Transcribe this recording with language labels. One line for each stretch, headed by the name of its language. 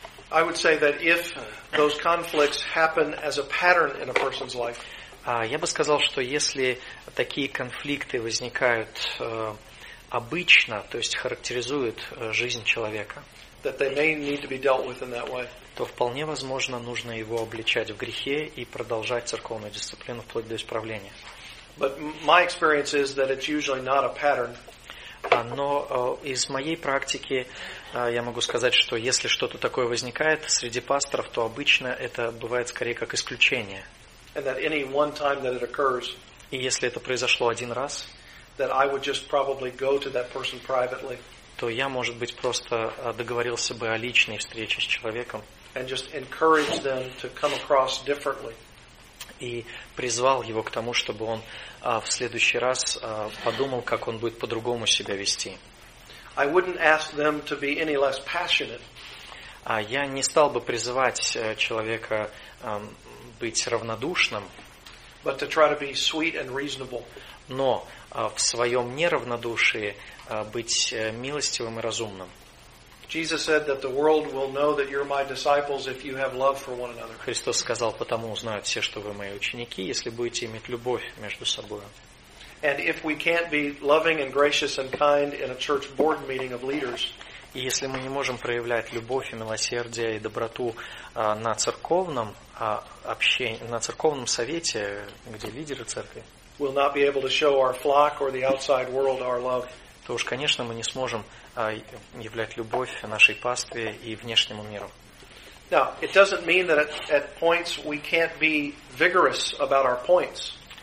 English: I would say that if those conflicts happen as a pattern in a person's life,
Russian: Я бы сказал, что если такие конфликты возникают обычно, то есть характеризуют жизнь человека, то вполне возможно нужно его обличать в грехе и продолжать церковную дисциплину вплоть до исправления.
English: But my experience is that it's usually not a pattern.
Russian: Но из моей практики я могу сказать, что если что-то такое возникает среди пасторов, то обычно это бывает скорее как исключение.
English: And that any one time that it occurs,
Russian: и если это произошло один раз,
English: that I would just probably go to that person privately,
Russian: то я, может быть, просто договорился бы о личной встрече с человеком,
English: and just encourage them to come across differently,
Russian: и призвал его к тому, чтобы он в следующий раз подумал, как он будет по-другому себя вести.
English: I wouldn't ask them to be any less passionate.
Russian: Я не стал бы призывать человека быть равнодушным,
English: but to try to be sweet and reasonable.
Russian: Но в своем неравнодушии быть милостивым и разумным.
English: Jesus said that the world will know that you're my disciples if you have love for one another.
Russian: Христос сказал, потому узнают все, что вы мои ученики, если будете иметь любовь между собой.
English: And if we can't be loving and gracious and kind in a church board meeting of leaders,
Russian: и если мы не можем проявлять любовь и милосердие и доброту на церковном общении, на церковном совете, где лидеры церкви,
English: we'll not be able to show our flock or the outside world our love.
Russian: То уж, конечно, мы не сможем являть любовь нашей пастве и внешнему миру.
English: Now, it doesn't mean that at points we can't be vigorous about our points.